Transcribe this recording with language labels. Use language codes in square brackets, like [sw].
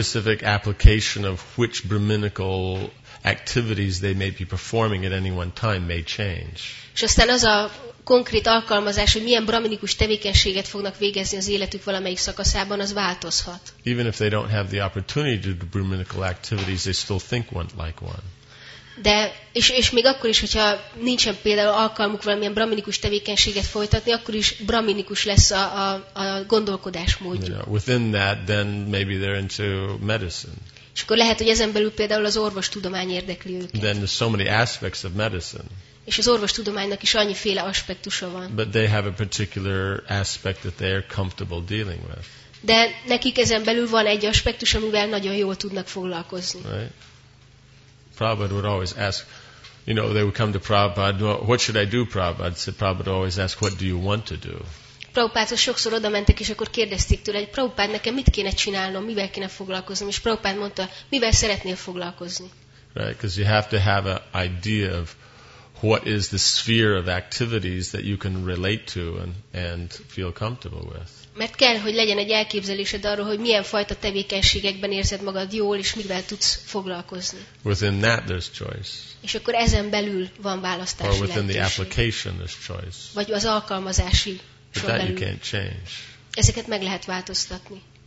[en] Specific application of which brahminical activities they may be performing at any one time may change. [hu] És aztán az a konkrét alkalmazás, hogy milyen brahminikus tevékenységet fognak végezni az életük valamelyik szakaszában, az változhat. [en] Even if they don't have the opportunity to do brahminical activities, they still think one like one. [hu] De és még akkor is, hogyha nincsen például alkalmuk valamilyen brahminikus tevékenységet folytatni, akkor is brahminikus lesz a gondolkodásmódjuk. [en] You know, within that, then maybe they're into medicine. [hu] És akkor lehet, hogy ezen belül például az orvostudomány érdekli őket. [en] Then there's so many aspects of medicine. [hu] És az orvostudománynak is annyiféle aspektusa van. [en] But they have a particular aspect that they are comfortable dealing with. [hu] De nekik ezen belül van egy aspektus, amivel nagyon jól tudnak foglalkozni. [en] Right. Prabhupada would always ask, you know, they would come to Prabhupada, what should I do, Prabhupada? So Prabhupada would always ask, what do you want to do? [hu] Prabhupádhoz sokszor oda mentek, és akkor kérdezték tőle, hogy Prabhupád, nekem mit kéne csinálnom, mivel kéne foglalkoznom? És Prabhupád mondta, mivel szeretnél foglalkozni? [en] Right, because you have to have an idea of what is the sphere of activities that you can relate to and feel comfortable with. [hu] Mert kell, hogy legyen egy elképzelésed arról, hogy milyen fajta tevékenységekben érzed magad jól, és mivel tudsz foglalkozni. [en] Within that there's choice. [hu] És akkor ezen belül van választási lehetőség. [en] Or within the application there's choice. [hu] Vagy az alkalmazási [en] But that you can't change. [hu] Ezeket meg lehet változtatni.